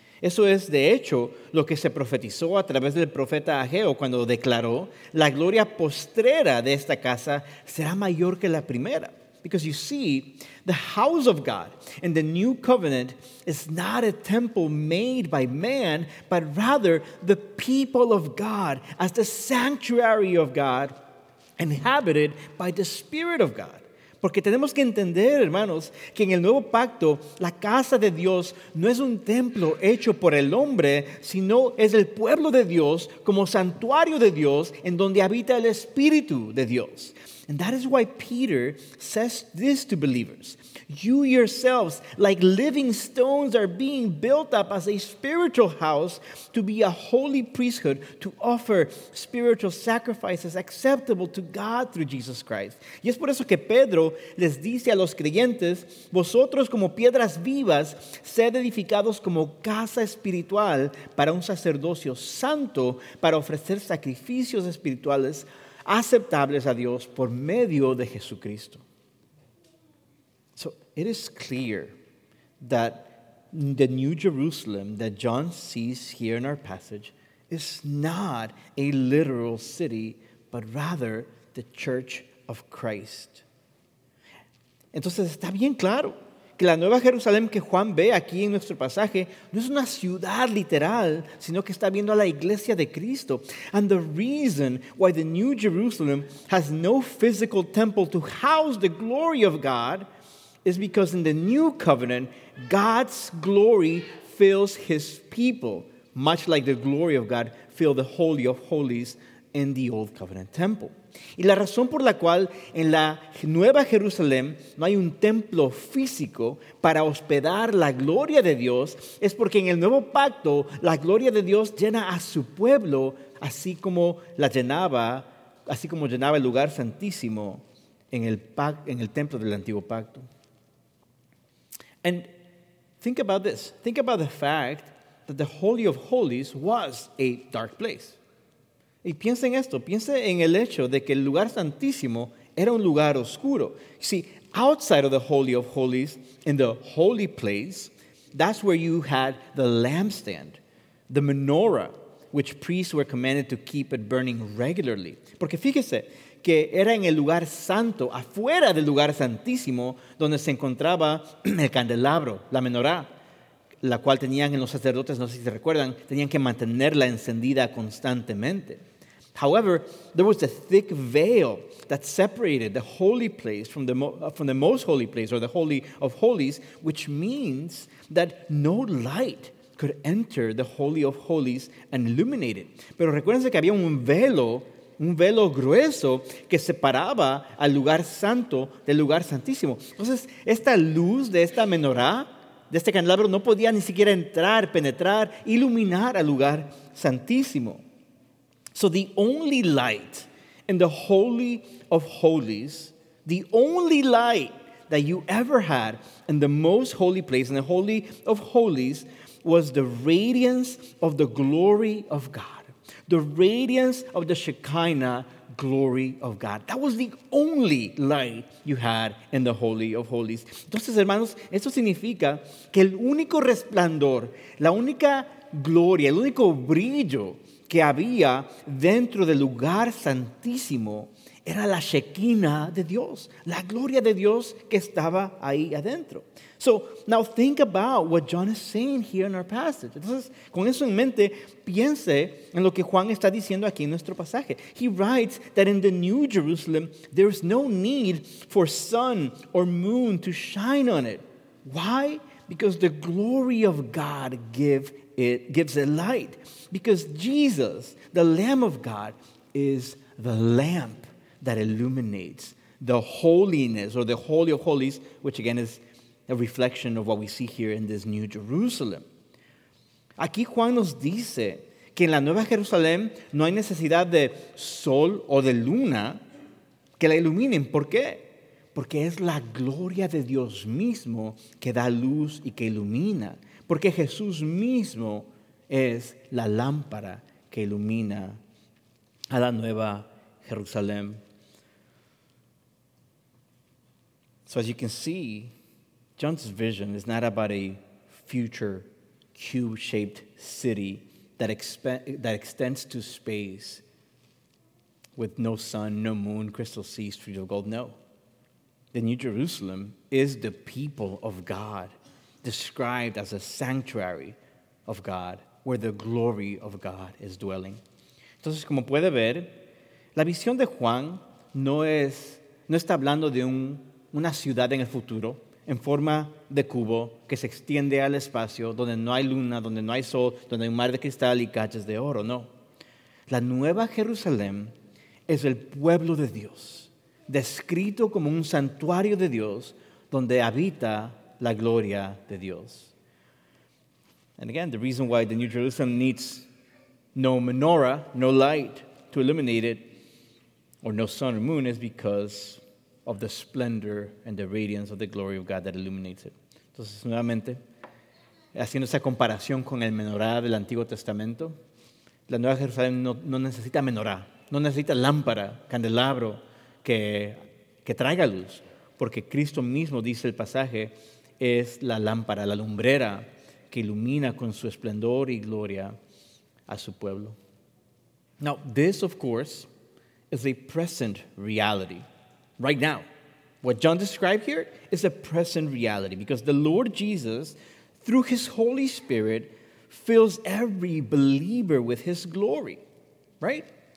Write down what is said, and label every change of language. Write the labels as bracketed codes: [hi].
[es] Eso es, de hecho, lo que se profetizó a través del profeta Ageo cuando declaró, "La gloria postrera de esta casa será mayor que la primera." [en] Because you see, the house of God in the new covenant is not a temple made by man, but rather the people of God as the sanctuary of God inhabited by the Spirit of God. [es] Porque tenemos que entender, hermanos, que en el nuevo pacto, la casa de Dios no es un templo hecho por el hombre, sino es el pueblo de Dios como santuario de Dios en donde habita el Espíritu de Dios. [en] And that is why Peter says this to believers. You yourselves, like living stones, are being built up as a spiritual house to be a holy priesthood, to offer spiritual sacrifices acceptable to God through Jesus Christ. [es] Y es por eso que Pedro les dice a los creyentes, vosotros como piedras vivas, sed edificados como casa espiritual para un sacerdocio santo, para ofrecer sacrificios espirituales aceptables a Dios por medio de Jesucristo. [en] So it is clear that the New Jerusalem that John sees here in our passage is not a literal city, but rather the Church of Christ. [es] Entonces está bien claro que la Nueva Jerusalén que Juan ve aquí en nuestro pasaje no es una ciudad literal, sino que está viendo a la iglesia de Cristo. [en] And the reason why the New Jerusalem has no physical temple to house the glory of God is because in the New Covenant, God's glory fills His people, much like the glory of God filled the Holy of Holies in the Old Covenant Temple. [es] Y la razón por la cual en la Nueva Jerusalén no hay un templo físico para hospedar la gloria de Dios es porque en el Nuevo Pacto la gloria de Dios llena a su pueblo así como llenaba el lugar santísimo en el templo del Antiguo Pacto. [en] And think about this. Think about the fact that the Holy of Holies was a dark place. [es] Y piensa en esto, piensa en el hecho de que el lugar santísimo era un lugar oscuro. [en] See, outside of the Holy of Holies, in the holy place, that's where you had the lampstand, the menorah, which priests were commanded to keep it burning regularly. [es] Porque fíjese que era en el lugar santo, afuera del lugar santísimo, donde se encontraba el candelabro, la menorah, la cual tenían en los sacerdotes, no sé si se recuerdan, tenían que mantenerla encendida constantemente. [en] However, there was a thick veil that separated the holy place from the most holy place, or the Holy of Holies, which means that no light could enter the Holy of Holies and illuminate it. [es] Pero recuérdense que había un velo grueso que separaba al lugar santo del lugar santísimo. Entonces, esta luz de esta menorá, de este candelabro, no podía ni siquiera entrar, penetrar, iluminar al lugar santísimo. [en] So the only light in the Holy of Holies, the only light that you ever had in the most holy place, in the Holy of Holies, was the radiance of the glory of God. The radiance of the Shekinah glory of God. That was the only light you had in the Holy of Holies. [es] Entonces, hermanos, esto significa que el único resplandor, la única gloria, el único brillo que había dentro del lugar santísimo era la Shekinah de Dios, la gloria de Dios que estaba ahí adentro. [en] So, now think about what John is saying here in our passage. [es] Entonces, con eso en mente, piense en lo que Juan está diciendo aquí en nuestro pasaje. [en] He writes that in the New Jerusalem, there is no need for sun or moon to shine on it. Why? Because the glory of God gives it light. Because Jesus, the Lamb of God, is the lamp that illuminates the holiness, or the Holy of Holies, which again is a reflection of what we see here in this New Jerusalem. [es] Aquí Juan nos dice que en la Nueva Jerusalén no hay necesidad de sol o de luna que la iluminen. ¿Por qué? Porque es la gloria de Dios mismo que da luz y que ilumina. Porque Jesús mismo es la lámpara que ilumina a la Nueva Jerusalén. [en] So as you can see, John's vision is not about a future cube-shaped city that extends to space with no sun, no moon, crystal sea, streets of gold. No. The New Jerusalem is the people of God, described as a sanctuary of God, where the glory of God is dwelling. [es] Entonces, como puede ver, la visión de Juan no está hablando de una ciudad en el futuro, en forma de cubo, que se extiende al espacio, donde no hay luna, donde no hay sol, donde hay un mar de cristal y calles de oro. No. La Nueva Jerusalén es el pueblo de Dios, descrito como un santuario de Dios, donde habita la gloria de Dios. [en] And again, the reason why the New Jerusalem needs no menorah, no light to illuminate it, or no sun or moon, is because of the splendor and the radiance of the glory of God that illuminates it. [es] Entonces, nuevamente, haciendo esa comparación con el menorá del Antiguo Testamento, la Nueva Jerusalén no necesita menorá, no necesita lámpara, candelabro, que traiga luz, porque Cristo mismo, dice el pasaje, es la lámpara, la lumbrera, que ilumina con su esplendor y gloria a su pueblo. [en] Now, this, of course, is a present reality. Right now, what John described here is a present reality because the Lord Jesus, through his Holy Spirit, fills every believer with his glory, right?